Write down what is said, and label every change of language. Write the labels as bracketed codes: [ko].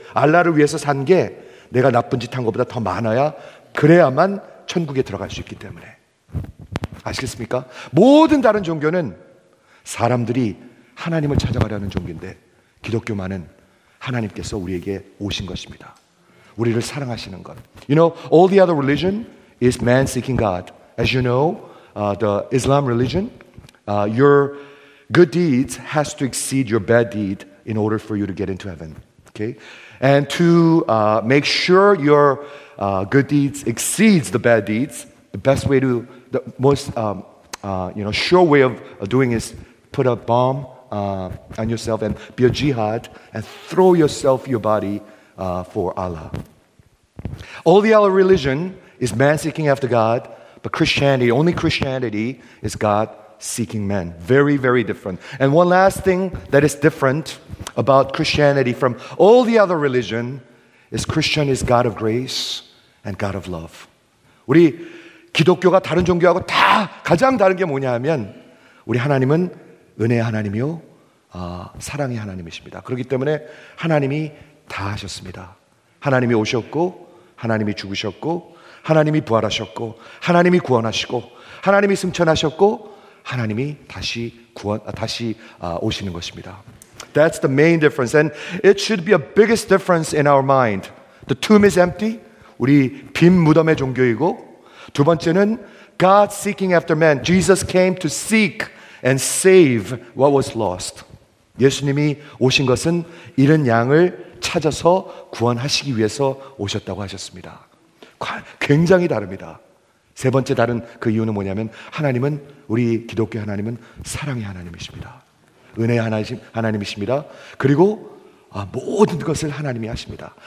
[ko] 알라를 위해서 산 게 내가 나쁜 짓 한 것보다 더 많아야 그래야만 천국에 들어갈 수 있기 때문에. 아시겠습니까? 모든 다른 종교는 사람들이 하나님을 찾아가려는 종교인데 기독교만은 하나님께서 우리에게 오신 것입니다. 우리를 사랑하시는 것. [en] You know, all the other religion is man seeking God. As you know, the Islam religion, your good deeds has to exceed your bad deed in order for you to get into heaven. Okay? And to make sure your good deeds exceeds the bad deeds, the best way to, the most, you know, sure way of doing is put a bomb on yourself and be a jihad and throw yourself, your body for Allah. All the other religion is man seeking after God, but Christianity, only Christianity, is God seeking man. Very, very different. And one last thing that is different about Christianity from all the other religion is Christian is God of grace and God of love. [ko] 우리 기독교가 다른 종교하고 다 가장 다른 게 뭐냐 하면 우리 하나님은 은혜의 하나님이요, 사랑의 하나님이십니다. 그렇기 때문에 하나님이 다 하셨습니다. 하나님이 오셨고 하나님이 죽으셨고 하나님이 부활하셨고 하나님이 구원하시고 하나님이 승천하셨고 하나님이 다시 오시는 것입니다. [en] That's the main difference, and it should be a biggest difference in our mind. The tomb is empty. [ko] 우리 빈 무덤의 종교이고 두 번째는 [en] God seeking after man. Jesus came to seek and save what was lost. [ko] 예수님이 오신 것은 잃은 양을 찾아서 구원하시기 위해서 오셨다고 하셨습니다. 굉장히 다릅니다. 세 번째 다른 그 이유는 뭐냐면 하나님은 우리 기독교 하나님은 사랑의 하나님이십니다. 은혜의 하나님이십니다. 그리고 모든 것을 하나님이 하십니다.